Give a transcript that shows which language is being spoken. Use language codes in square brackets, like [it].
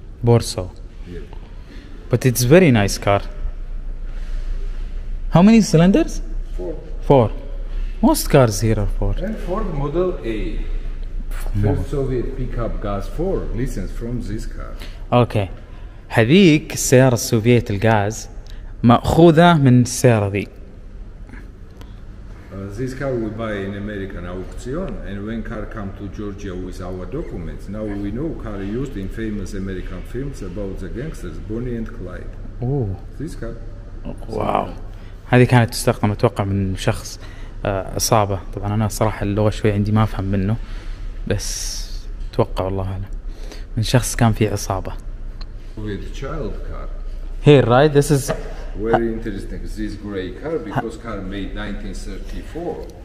[en] Warsaw. Yeah. But it's very nice car. How many cylinders? Four. Most cars here are four. And Ford Model A. First Soviet pickup gas four license from this car. Okay. [ar] هذيك السيارة السوفيت الغاز مأخوذة من السيارة ذي. [en] This car we buy in American auction, and when car come to Georgia with our documents, now we know car used in famous American films about the gangsters Bonnie and Clyde. Oh. This car. Wow. [ar] هذه كانت تستخدم اتوقع من شخص اصابه. طبعا انا صراحه اللغه شوي عندي ما افهم منه بس اتوقع والله اعلم من شخص كان فيه اصابه. [en] With child car. Here, right? This is very interesting. This gray car because car made 1934.